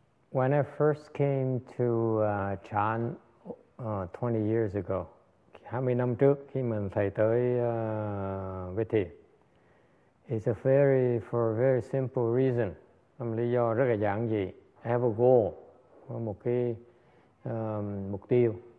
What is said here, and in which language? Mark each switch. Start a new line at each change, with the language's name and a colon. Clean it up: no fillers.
English: When I first came to Chan 20 years ago, how many
Vietnamese: năm trước khi mình thầy tới với thầy?
English: It's a very for a very simple reason.
Vietnamese: Lý do rất là giản dị.
English: I have a goal,
Vietnamese: một cái mục tiêu.